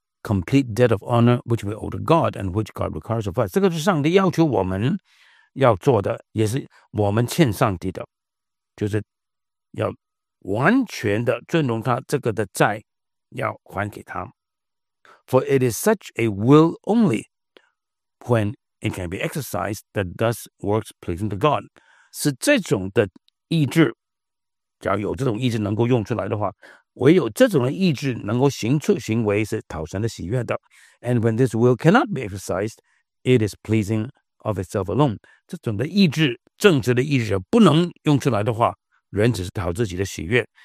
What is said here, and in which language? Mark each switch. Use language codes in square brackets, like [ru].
[en] complete debt of honor which we owe to God and which God requires of us. [zh] 这个是上帝要求我们要做的，也是我们欠上帝的。就是要完全的尊重他，这个的债要还给他。 [en] For it is such a will only when it can be exercised that thus works pleasing to God. [zh] 是这种的意志，假如有这种意志能够用出来的话，唯有这种的意志能够行出行为是讨神的喜悦的。 [en] And when this will cannot be exercised, it is pleasing of itself alone. [zh] 这种的意志，正直的意志不能用出来的话， 人只是讨自己的喜悦，